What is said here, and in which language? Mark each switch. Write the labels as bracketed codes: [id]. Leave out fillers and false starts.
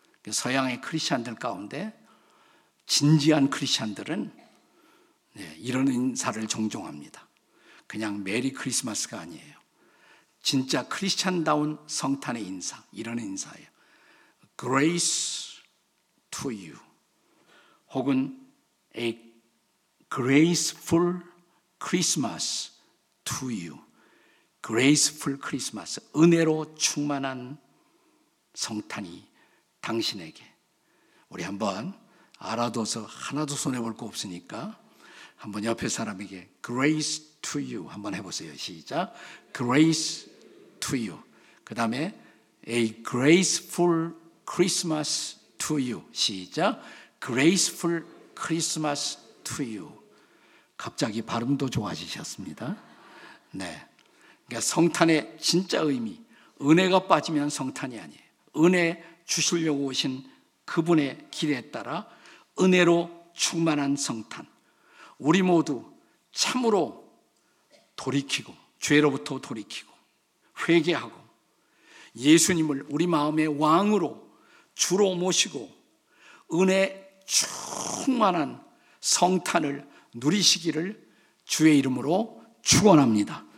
[ko] 서양의 크리스천들 가운데 진지한 크리스천들은 이런 인사를 종종 합니다. 그냥 메리 크리스마스가 아니에요. 진짜 크리스천다운 성탄의 인사, 이런 인사예요. [en] Grace to you. 혹은 A Graceful Christmas to you. Graceful Christmas. [ko] 은혜로 충만한 성탄이 당신에게. 우리 한번 알아둬서 하나도 손해볼 거 없으니까 한번 옆에 사람에게 [en] Grace to you [ko] 한번 해보세요. 시작. [en] Grace to you. [ko] 그 다음에 [en] A Graceful Christmas to you. [ko] 시작. [en] Graceful Christmas to you. [ko] 갑자기 발음도 좋아지셨습니다. 네, 그러니까 성탄의 진짜 의미, 은혜가 빠지면 성탄이 아니에요. 은혜 주시려고 오신 그분의 길에 따라 은혜로 충만한 성탄. 우리 모두 참으로 돌이키고 죄로부터 돌이키고 회개하고 예수님을 우리 마음의 왕으로 주로 모시고 은혜 충만한 성탄을 누리시기를 주의 이름으로 축원합니다.